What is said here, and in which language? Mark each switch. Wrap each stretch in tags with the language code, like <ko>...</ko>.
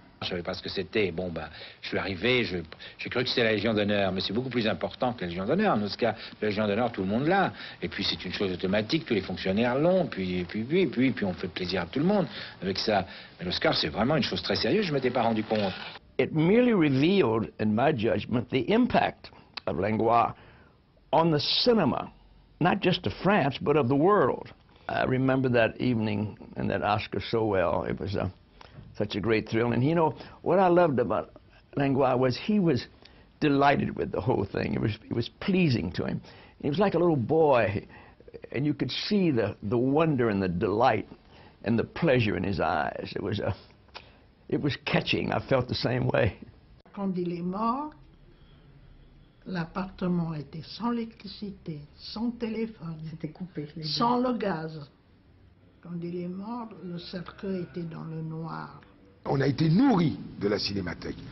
<fr>Je ne savais pas ce que c'était. Bon, bah, je suis arrivé, j'ai cru que c'était la Légion d'honneur. Mais c'est beaucoup plus important que la Légion d'honneur. En tout cas, la Légion d'honneur, tout le monde l'a. Et puis, c'est une chose automatique. Tous les fonctionnaires l'ont. Puis, on fait plaisir à tout le monde avec ça. Mais l'Oscar, c'est vraiment une chose très sérieuse. Je ne m'étais pas rendu compte.</fr> <en>It merely revealed, in my judgment, the impact of Langlois on the cinema, not just of France, but of the world. I remember that evening and that Oscar so well. It was a such a great thrill. And you know, what I loved about Langlois was he was delighted with the whole thing. It was pleasing to him. He was like a little boy, and you could see the wonder and the delight and the pleasure in his eyes. It was catching. I felt the same way.</en> <fr>Quand il est mort, l'appartement était sans électricité, sans téléphone, c'était coupé, sans le gaz. Quand il est mort, le cercueil était dans le noir. On a été nourri de la Cinémathèque.</fr>